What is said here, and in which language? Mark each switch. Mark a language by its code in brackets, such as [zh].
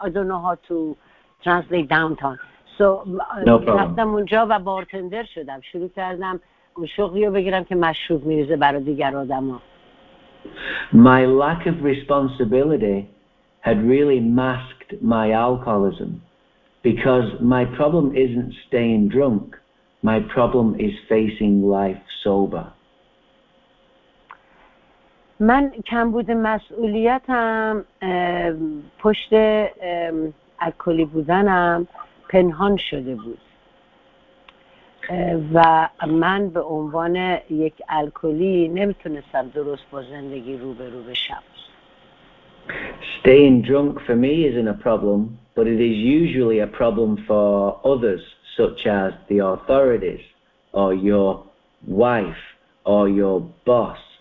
[en] I don't know how to translate downtown. [fa] So رفتم اونجا و بارتندر شدم، شروع کردم اون شغلی رو بگیرم که مشروب می‌ریزه برای دیگر آدما. [en] My lack of responsibility had really masked my alcoholism because my problem isn't staying drunk, my problem is facing life sober. [fa] من کمبود مسئولیتم پشت الکلی بودنم پنهان شده بود و من به عنوان یک الکلی نمیتونستم درست با زندگی روبرو بشم. [en] Staying drunk for me isn't a problem, but it is usually a problem for others, such as the authorities, or your wife, or your boss.